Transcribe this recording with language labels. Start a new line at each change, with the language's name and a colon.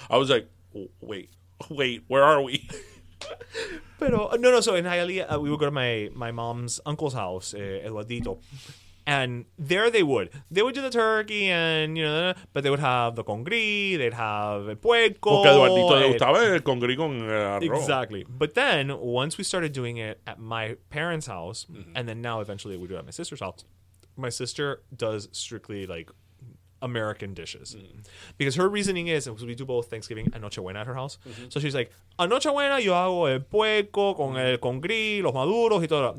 English: I was like, wait, where are we? But so in Hialeah, we would go to my mom's uncle's house, Eduardito. And there they would. They would do the turkey and, you know, but they would have the congri, they'd have el pueco.
Spanish: Porque Eduardito le gustaba el congri con el arroz.
English: Exactly. But then once we started doing it at my parents' house, and then now eventually we do it at my sister's house, my sister does strictly like American dishes. Mm. Because her reasoning is, because we do both Thanksgiving and Nochebuena at her house. Mm-hmm. So she's like,
Spanish: Anochebuena yo hago el pueco con el congri, los maduros y todo.